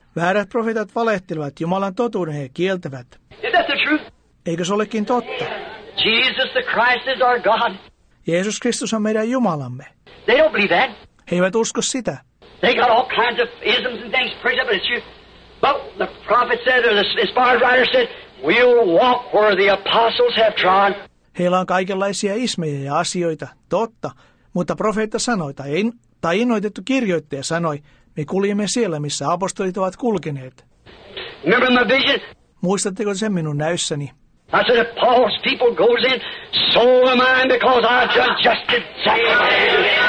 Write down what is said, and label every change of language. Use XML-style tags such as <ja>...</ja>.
<fi>Väärät profeetat valehtelevat, Jumalan totuuden he kieltävät.</fi> <en>Is that the truth?</en> <fi>Eikö se olekin totta?</fi> <en>Jesus the Christ is our God.</en> <fi>Jeesus Kristus on meidän Jumalamme.</fi> <en>They don't believe that.</en> <fi>He eivät usko sitä.</fi> <en>They got all kinds of isms and things preached up, but it's true. But the prophet said, or the inspired writer said, we'll walk where the apostles have trod.</en> <fi>Heillä on kaikenlaisia ismejä ja asioita, totta, mutta profeetta sanoi, tai innoitettu kirjoittaja sanoi, me kuljemme siellä, missä apostolit ovat kulkeneet.</fi> <en>Remember my vision?</en> <fi>Muistatteko sen minun näyssäni?</fi> <en>I said, if Paul's people goes in, so am I, because I just exactly</en>